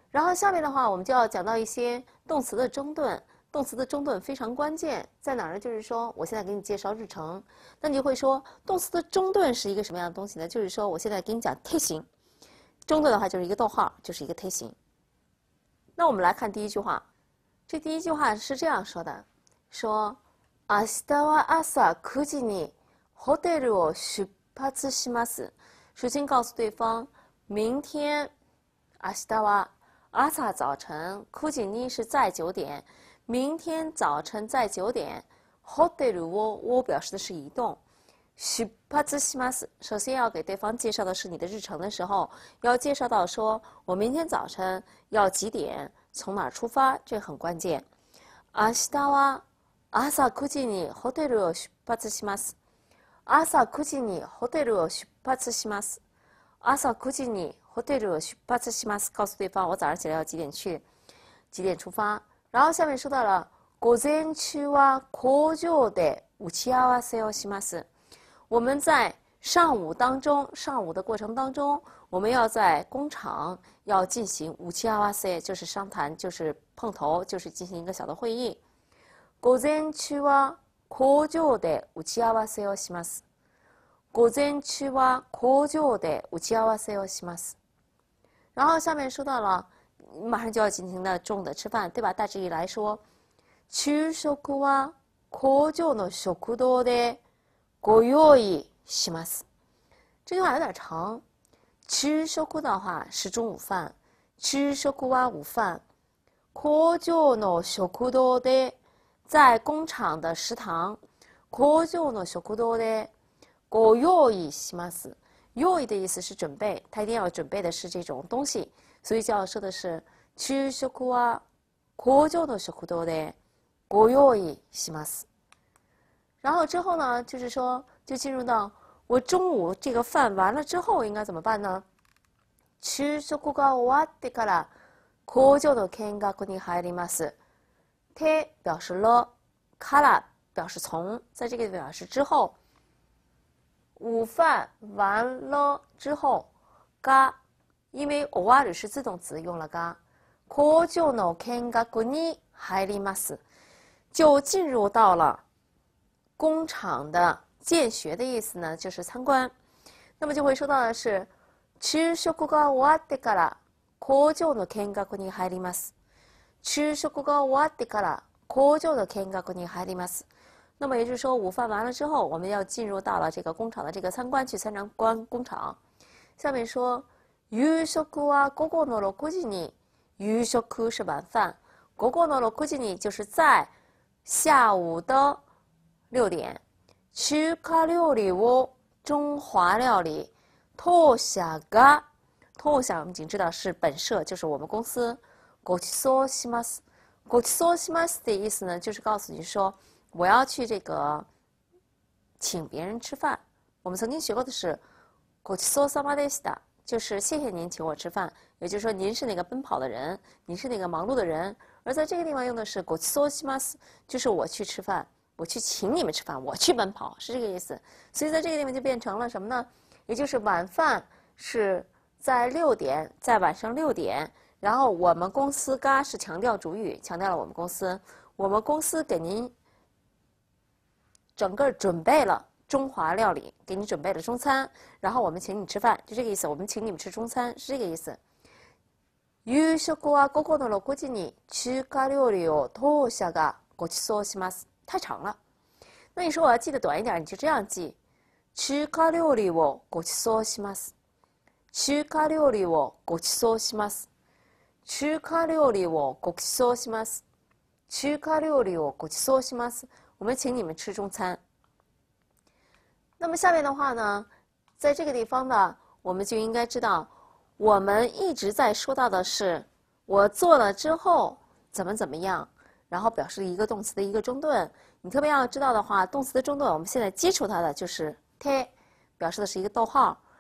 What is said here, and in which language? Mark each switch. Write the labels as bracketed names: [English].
[Chinese] 然后下面的话，我们就要讲到一些动词的中断。动词的中断非常关键，在哪儿呢？就是说，我现在给你介绍日程，那你就会说，动词的中断是一个什么样的东西呢？就是说，我现在给你讲梯形，中断的话就是一个逗号，就是一个梯形。那我们来看第一句话，这第一句话是这样说的：说， [Japanese] 明日は朝9時にホテルを出発します。 [Chinese] 首先告诉对方，明天， [Japanese] 明日は [Chinese] 朝早晨 [Japanese] 9時に [Chinese] 是在九点，明天早晨在九点。ホテル我表示的是移动。 [Japanese] 出発します。 [Chinese] 首先要给对方介绍的是你的日程的时候，要介绍到说我明天早晨要几点，从哪儿出发，这很关键。 [Japanese] 明日は朝9時にホテルを出発します。朝9時にホテルを出発します。朝9時にホテルを出発します。 [Chinese] 告诉对方我早上起来要几点去，几点出发。然后下面说到了， [Japanese] 午前中は工場で打ち合わせをします。 [Chinese] 我们在上午当中，上午的过程当中，我们要在工厂要进行打ち合わせ，就是商谈，就是碰头，就是进行一个小的会议。 [Japanese] 午前中は工場で打ち合わせをします。午前中は工場で打ち合わせをします。 [Chinese] 然后下面说到了，马上就要进行的中午的吃饭，对吧？大致以来说， [Japanese] 昼食は工場の食堂でご用意します。 [Chinese] 这句话有点长。昼食的话是中午饭，昼食は午饭。 [Japanese] 工場の食堂で， [Chinese] 在工厂的食堂。 [Japanese] 工場の食堂でご用意します。 [Chinese] 用意的意思是准备，他一定要准备的是这种东西，所以就要说的是 [Japanese] 昼食は工場の食堂でご用意します。 [Chinese] 然后之后呢，就是说，就进入到我中午这个饭完了之后应该怎么办呢？ [Japanese] 昼食が終わってから工場の見学に入ります。 [Chinese] て表示了，から表示从，在这个表示之后。午饭完了之后，が，因为 [Japanese] 終わる [Chinese] 是自动词，用了が。 [Japanese] 工場の見学に入ります。 [Chinese] 就进入到了工厂的见学的意思呢，就是参观。那么就会说到的是， [Japanese] 昼食が終わってから工場の見学に入ります。昼食が終わってから工場の見学に入ります。 [Chinese] 那么也就是说，午饭完了之后，我们要进入到了这个工厂的这个参观，去参观工厂。下面说， [Japanese] 夕食は午後の6時に。 [Chinese] 夕食是晚饭， [Japanese] 午後の6時に [Chinese] 就是在下午的六点。 [Japanese] 中華料理を、 [Chinese] 中华料理、 [Japanese] 当社が、 [Chinese] 当社我们已经知道是本社，就是我们公司。 [Japanese] ごちそうします。ごちそうします [Chinese] 的意思呢，就是告诉你说我要去这个请别人吃饭。我们曾经学过的是 [Japanese] ごちそうさまでした， [Chinese] 就是谢谢您请我吃饭，也就是说您是那个奔跑的人，您是那个忙碌的人。而在这个地方用的是 [Japanese] ごちそうします， [Chinese] 就是我去吃饭，我去请你们吃饭，我去奔跑，是这个意思。所以在这个地方就变成了什么呢？也就是晚饭是在六点，在晚上六点。然后我们公司"嘎"是强调主语，强调了我们公司。我们公司给您整个准备了中华料理，给你准备了中餐，然后我们请你吃饭，就这个意思。我们请你们吃中餐，是这个意思。 [Japanese] 夕食は午後の6時に中華料理を当社がごちそうします。 [Chinese] 太长了，那你说我要记得短一点，你就这样记： [Japanese] 中華料理をごちそうします。中華料理をごちそうします。中華料理をごちそうします。中華料理をごちそうします。 [Chinese] 我们请你们吃中餐。那么下面的话呢，在这个地方呢，我们就应该知道，我们一直在说到的是，我做了之后怎么怎么样，然后表示一个动词的一个中断。你特别要知道的话，动词的中断，我们现在接触它的就是 te，表示的是一个逗号。